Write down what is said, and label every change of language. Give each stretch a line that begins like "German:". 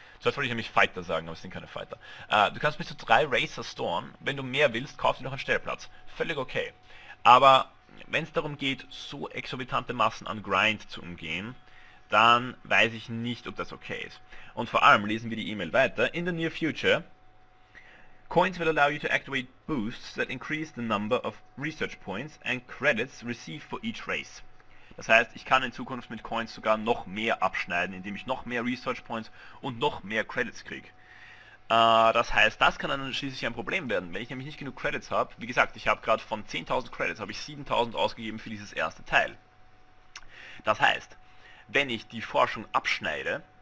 German: Zuerst wollte ich nämlich Fighter sagen, aber es sind keine Fighter. Du kannst bis zu 3 Racer storen. Wenn du mehr willst, kauf dir noch einen Stellplatz. Völlig okay. Aber wenn es darum geht, so exorbitante Massen an Grind zu umgehen, dann weiß ich nicht, ob das okay ist. Und vor allem lesen wir die E-Mail weiter.
English: In the near future, Coins will allow you to activate boosts that increase the number of research points and credits received for each race.
German: Das heißt, ich kann in Zukunft mit Coins sogar noch mehr abschneiden, indem ich noch mehr Research Points und noch mehr Credits kriege. Das heißt, das kann dann schließlich ein Problem werden, wenn ich nämlich nicht genug Credits habe. Wie gesagt, ich habe gerade von 10.000 Credits, habe ich 7.000 ausgegeben für dieses erste Teil. Das heißt, wenn ich die Forschung abschneide,